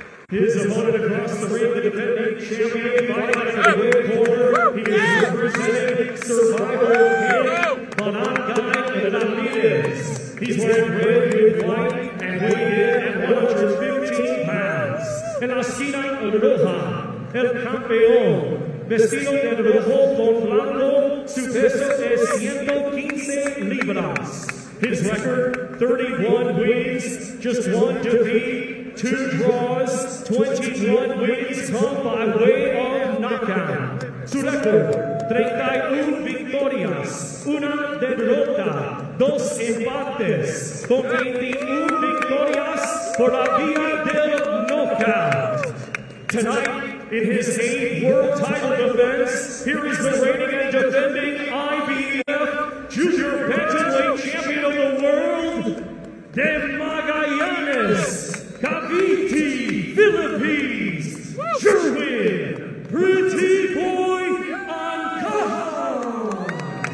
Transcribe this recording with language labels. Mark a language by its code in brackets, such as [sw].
[en] His opponent across the ring, the defending champion, he's wearing red with white and weighing in at 115 pounds. [es] En la esquina roja, el campeón, vestido de rojo con blanco, su peso es 115 libras. [en] His record, 31 wins, just 1 defeat, 2 draws, 21 wins come by way of knockout. [es] Su record, 31 victorias, 1 derrota. 2 empates con 21 victorias por la vía del knockout. [en] Tonight, in his 8th world title defense, here is the reigning and defending IBF Junior Bantamweight Champion of the World, De Magallanes, Cavite, Philippines, Sherwin, Pretty Boy, Ancajas.